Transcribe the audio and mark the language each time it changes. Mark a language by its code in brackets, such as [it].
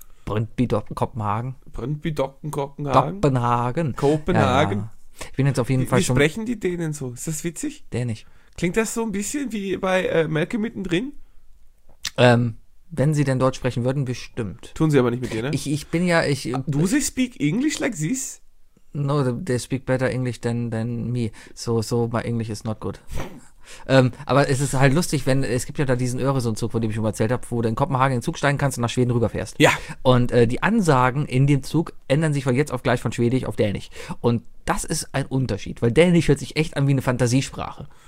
[de] Brøndby Kopenhagen. Brøndby Kopenhagen. Kopenhagen. Kopenhagen. Ja, ja. Ich bin jetzt auf jeden Fall schon. Wie sprechen die Dänen so? Ist das witzig? Dänisch. Klingt das so ein bisschen wie bei Malcolm mittendrin? Wenn sie denn Deutsch sprechen würden, bestimmt. Tun sie aber nicht mit dir, ne? Ich bin ja, ich... [en] Do they speak English like this? No, they speak better English than me. So, my English is not good. [de] aber es ist halt lustig, wenn, es gibt ja da diesen Öresundzug, von dem ich schon mal erzählt habe, wo du in Kopenhagen in den Zug steigen kannst und nach Schweden rüberfährst. Ja. Und die Ansagen in dem Zug ändern sich von jetzt auf gleich von Schwedisch auf Dänisch. Und das ist ein Unterschied, weil Dänisch hört sich echt an wie eine Fantasiesprache.